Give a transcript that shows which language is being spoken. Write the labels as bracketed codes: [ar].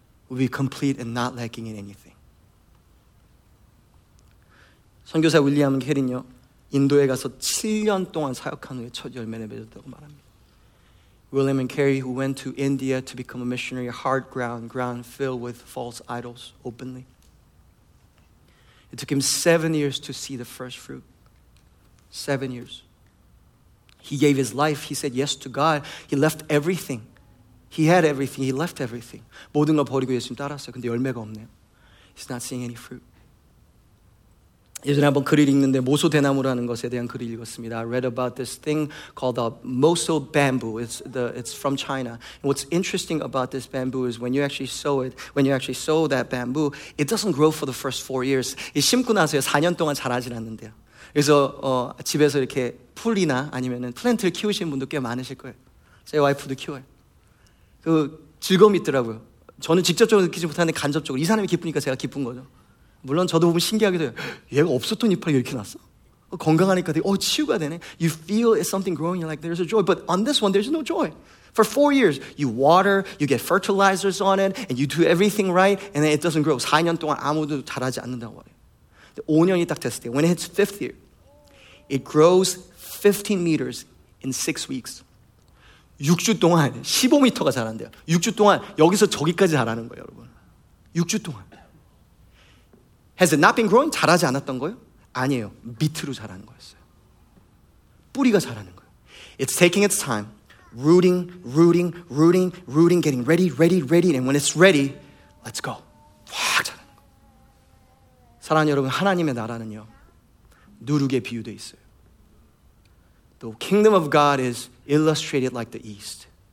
[en] We'll be complete and not lacking in anything. [ko] 선교사 윌리엄 캐린요, 인도에 가서 7년 동안 사역한 후에 첫 열매를 맺었다고 말합니다. [en] William and Carey, who went to India to become a missionary, hard ground filled with false idols openly. It took him 7 years to see the first fruit. 7 years. He gave his life. He said yes to God. He left everything. He had everything. He left everything. [ko] 모든 걸 버리고 예수님 따랐어요. 근데 열매가 없네요. [en] He's not seeing any fruit. [ko] 예전에 한번 글을 읽는데 모소대나무라는 것에 대한 글을 읽었습니다. [en] I read about this thing called a moso bamboo. It's from China. And what's interesting about this bamboo is when you actually sow it, when you actually sow that bamboo, it doesn't grow for the first 4 years. [ko] 심고 나서요. 4년 동안 자라진 않는데요. 그래서 집에서 이렇게 풀이나 아니면은 플랜트를 키우시는 분도 꽤 많으실 거예요. 제 와이프도 키워요. 그 즐거움이 있더라고요. 저는 직접적으로 느끼지 못하는데 간접적으로 이 사람이 기쁘니까 제가 기쁜 거죠. 물론 저도 보면 신기하기도 해요. 얘가 없었던 이빨이 이렇게 났어? 건강하니까 되게, 치유가 되네. [en] You feel something growing, you're like, there's a joy. But on this one, there's no joy. For 4 years, you water, you get fertilizers on it, and you do everything right, and then it doesn't grow. [ko] 4년 동안 아무도 자라지 않는다고 말해요. 5년이 딱 됐을 때, [en] when it hits fifth year, it grows 15 meters in 6 weeks. [ko] 6주 동안 15m가 자란대요. 6주 동안 여기서 저기까지 자라는 거예요, 여러분. 6주 동안. [en] Has it not been growing? [ko] 자라지 않았던 거예요? 아니에요. 밑으로 자라는 거였어요. 뿌리가 자라는 거예요. [en] It's taking its time. Rooting, rooting, rooting, rooting, getting ready, ready, ready. And when it's ready, let's go. [ko] 확 자라는 거예요. 사랑하는 여러분, 하나님의 나라는요. 누룩에 비유되어 있어요. [en] The kingdom of God is illustrated like the east.